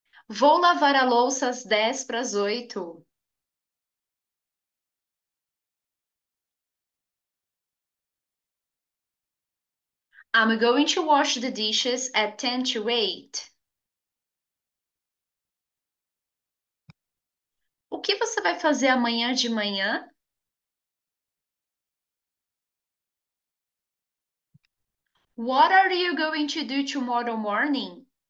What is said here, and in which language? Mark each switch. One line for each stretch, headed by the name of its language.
Portuguese: Vou lavar a louça às 10 para as 8.
English: I'm going to wash the dishes at 10 to 8.
Portuguese: O que você vai fazer amanhã de manhã?
English: What are you going to do tomorrow morning?